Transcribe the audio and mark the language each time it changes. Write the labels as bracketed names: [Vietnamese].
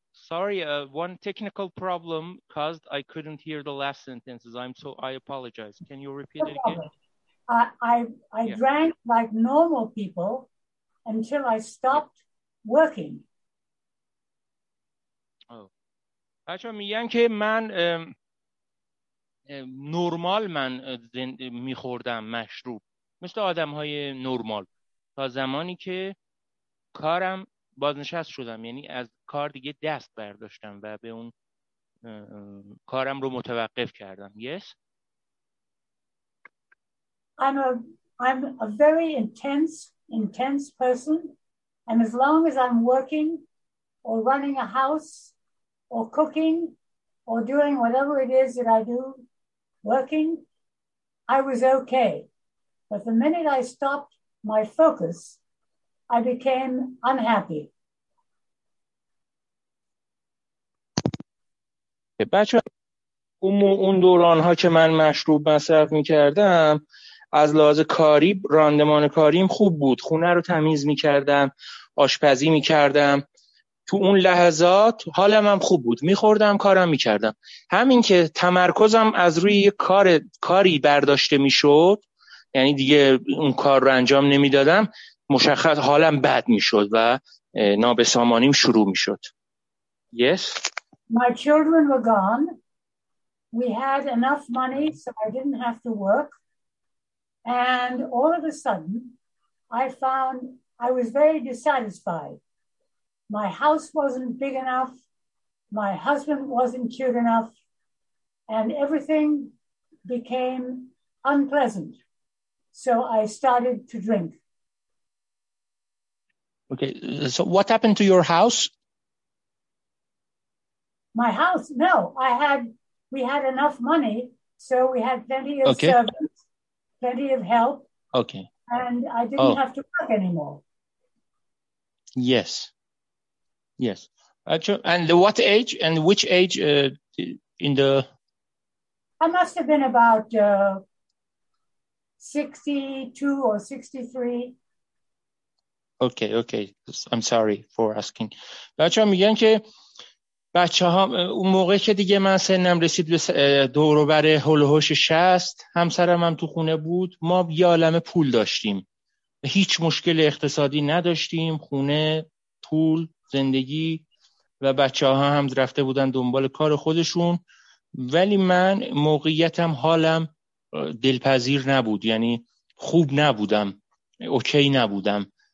[English] Sorry, one technical problem caused I couldn't hear the last sentences. I apologize. Can you repeat no it problem. Again? I yeah. drank like normal people until I stopped working. Oh. [Persian] بچه‌ها میگن که من نرمال من میخوردم مشروب مثل آدم‌های نرمال تا زمانی که کارم بازنشست شدم، یعنی از کار دیگه دست برداشتم و به اون کارم رو متوقف کردم. [English] Yes. I'm a very intense person, and as long as I'm working or running a house or cooking or doing whatever it is that I do working, I was okay. But the minute I stopped my focus, I became unhappy. [Persian] اون دورانها که من مشروب مصرف می‌کردم، از لحاظ کاری راندمان کاریم خوب بود. خونه رو تمیز می‌کردم، آشپزی می‌کردم، تو اون لحظات حالم هم خوب بود، میخوردم، کارم میکردم. همین که تمرکزم از روی کاری برداشته میشد، یعنی دیگه اون کار رو انجام نمیدادم، مشخص حالم بد میشد و نابسامانیم شروع میشد. [English] Yes. My children were gone. We had enough money so I didn't have to work. And all of a sudden, I found I was very dissatisfied. My house wasn't big enough. My husband wasn't cute enough. And everything became unpleasant. So I started to drink. Okay, so what happened to your house? My house? No, we had enough money, so we had plenty of servants, plenty of help. Okay. And I didn't have to work anymore. Yes. Yes. And what age and which age in the... I must have been about 62 or 63. Okay. I'm sorry for asking. [Persian] بچه ها میگن که بچه ها اون موقع که دیگه من سنم رسید به دوروبر هلوهوش 60، همسرم هم تو خونه بود، ما یه عالم پول داشتیم، هیچ مشکل اقتصادی نداشتیم، خونه، پول، زندگی، و بچه ها هم رفته بودن دنبال کار خودشون، ولی من موقعیتم، حالم دلپذیر نبود، یعنی خوب نبودم، اوکی نبودم.